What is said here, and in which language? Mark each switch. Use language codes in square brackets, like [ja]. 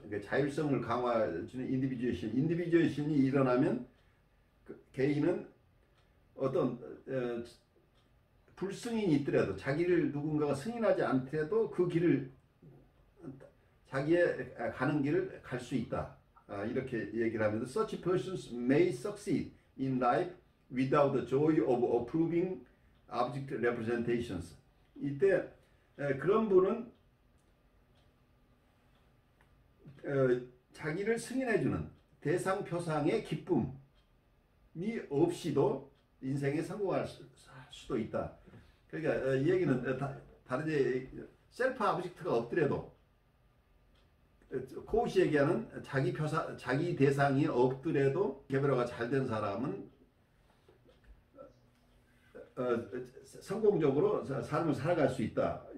[ko] 그러니까 자율성을 강화해주는 인디비주에이션. 인디비주에이션이 일어나면 개인은 어떤 불승인이 있더라도, 자기를 누군가가 승인하지 않더라도 그 길을, 자기의 가는 길을 갈수 있다. 이렇게 얘기를 합니다. [en] Such persons may succeed in life without the joy of approving object representations. [ko] 이때 그런 분은 자기를 승인해주는 대상 표상의 기쁨이 없이도 인생에 성공할 수도 있다. 그러니까 이 얘기는 다른 얘기, 셀프 아브젝트가 없더라도, 코우시 얘기하는 자기 대상이 없더라도 개별화가 잘된 사람은 성공적으로 삶을 살아갈 수 있다.